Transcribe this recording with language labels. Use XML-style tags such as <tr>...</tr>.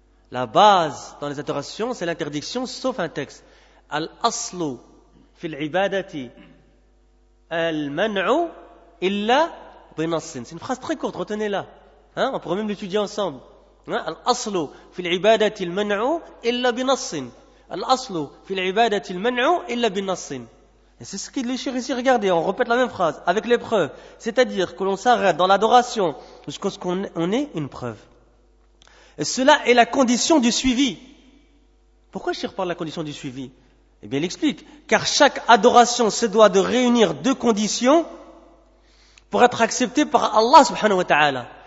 <fr>La base dans les adorations, c'est l'interdiction sauf un texte.</fr> <ar>Al-aslu fil ibadati al-man'u illa binassin.</ar> <fr>C'est une phrase très courte, retenez-la. Hein? On pourrait même l'étudier ensemble.</fr> <ar>الأصل في العبادة المنع إلا بنص. الأصل في العبادة المنع إلا بنص.</ar> <fr>Et c'est ce que le cheikh ici, regardez, on répète la même phrase avec les preuves. C'est-à-dire que l'on s'arrête dans l'adoration jusqu'à ce qu'on ait une preuve. Et cela est la condition du suivi. Pourquoi le cheikh parle de la condition du suivi? Eh bien, il explique. Car chaque adoration se doit de réunir deux conditions pour être acceptée par Allah subhanahu wa ta'ala.</fr>